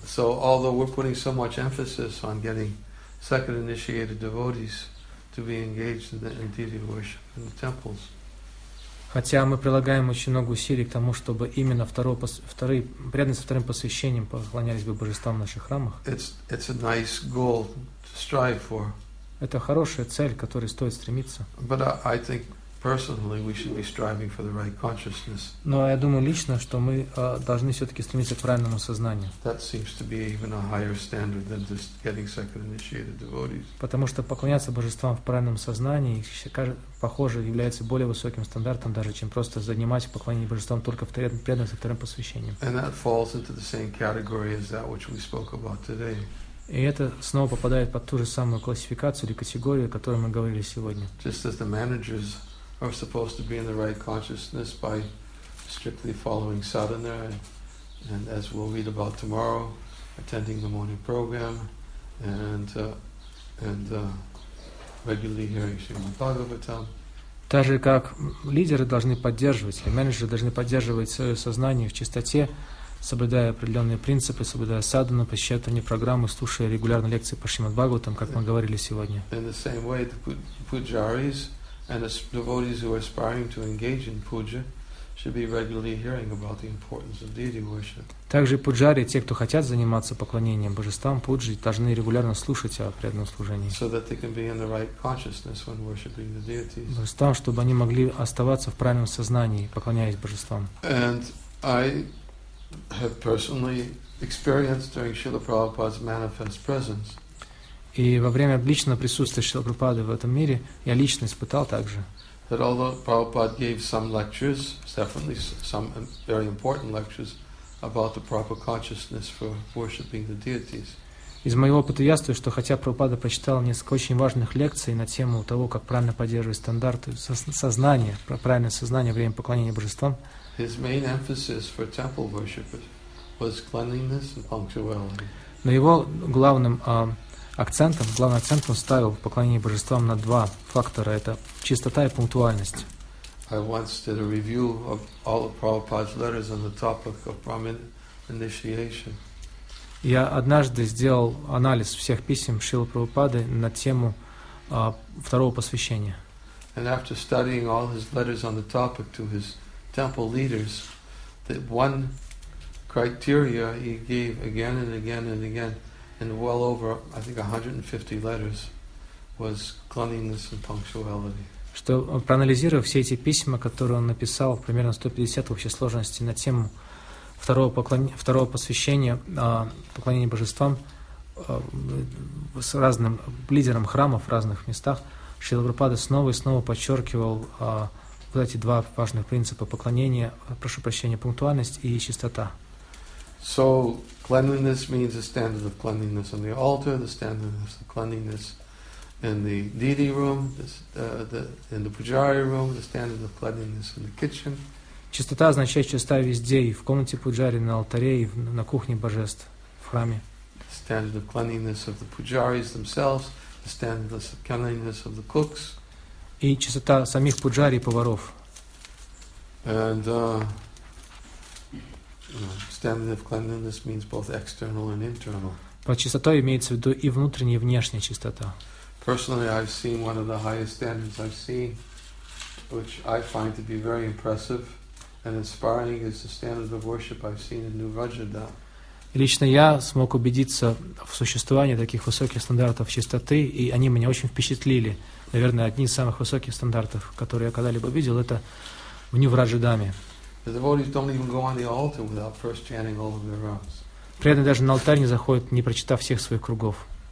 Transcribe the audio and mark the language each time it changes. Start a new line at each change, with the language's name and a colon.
English: So although we're putting so much emphasis on getting second initiated devotees to be engaged in deity worship in the temples.
Russian: Хотя мы прилагаем очень много усилий к тому, чтобы именно вторые преданные со вторым посвящением поклонялись бы божествам в наших храмах.
English: It's a nice goal to strive for.
Russian: Это хорошая цель, к которой стоит стремиться.
English: But I think personally we should be striving for the right consciousness.
Russian: Но я думаю лично, что мы должны все-таки стремиться к правильному сознанию.
English: That seems to be even a higher standard than just getting second initiated devotees.
Russian: Потому что поклоняться божествам в правильном сознании, похоже, является более высоким стандартом даже, чем просто занимать поклонение божествам только в преданном со вторым посвящением.
English: And that falls into the same category as that which we spoke about today.
Russian: И это снова попадает под ту же самую классификацию или категорию, о которой мы говорили сегодня.
English: Just as the managers are supposed to be in the right consciousness by strictly following sadhana, and as we'll read about tomorrow, attending the morning program, and regularly hearing Srimad Bhagavatam.
Russian: Так же как лидеры должны поддерживать, или менеджеры должны поддерживать свое сознание в чистоте, соблюдая определенные принципы, соблюдая садхану, посещая тренировочные программы, слушая регулярно лекции по Шримад Бхагаватам, как мы говорили сегодя.
English: In the same way, the pujaris and the devotees who are aspiring to engage in puja should be regularly hearing about the importance of deity worship.
Russian: Также пуджари, те, кто хотят заниматься поклонением божествам, пуджи, должны регулярно слушать о преданном служении.
English: So that they can be in the right consciousness when worshiping the deities.
Russian: Божествам, чтобы они могли оставаться в правильном сознании, поклоняясь божествам.
English: And I have personally experienced during Srila Prabhupada's manifest presence.
Russian: И во время личного присутствия Шрилы Прабхупады в этом мире я лично испытал также.
English: That although Prabhupada gave some lectures, definitely some very important lectures about the proper consciousness for worshiping the deities.
Russian: Из моего опыта ясно, что хотя Прабхупада прочитал несколько очень важных лекций на тему того, как правильно поддерживать стандарты сознания, про правильное сознание во время поклонения божествам,
English: his main emphasis for temple worship was cleanliness and punctuality.
Russian: Но его главным акцентом, главным акцентом ставил в поклонении божествам на два фактора: это чистота и пунктуальность.
English: I once did a review of all of Prabhupada's letters on the topic of Brahmin initiation.
Russian: Я однажды сделал анализ всех писем Шрилы Прабхупады на тему второго посвящения.
English: And after studying all his letters on the topic to his temple leaders, the one criteria he gave again and again and again, in well over, I think, 150 letters, was cleanliness and punctuality.
Russian: Что проанализировав все эти письма, которые он написал, примерно 150 в общей сложности на тему второго посвящения поклонения божествам с разным лидером храмов в разных местах, Шрила Прабхупада снова и снова подчеркивал вот эти два важных принципа поклонения, прошу прощения, пунктуальность и чистота.
English: So cleanliness means the standard of cleanliness on the altar, the standard of cleanliness in the deity room, in the pujari room, the standard of cleanliness in the kitchen.
Russian: Чистота означает чистота везде, и в комнате пуджари, на алтаре, и на кухне божеств, в храме.
English: The standard of cleanliness of the pujaris themselves, the standard of cleanliness of the cooks.
Russian: И чистота самих пуджари и поваров.
English: And standard of cleanliness means both external and internal.
Russian: Под чистотой имеется в виду и внутренняя, и внешняя чистота.
English: Personally, I've seen one of the highest standards I've seen, which I find to be very impressive and inspiring, is the standard of worship I've seen in New Rajadhan.
Russian: Лично я смог убедиться в существовании таких высоких стандартов чистоты, и они меня очень впечатлили. Наверное, одни из самых высоких стандартов, которые я когда-либо видел, это в Нью-Враджадаме. Преданные даже на алтарь не заходят, не прочитав всех своих кругов.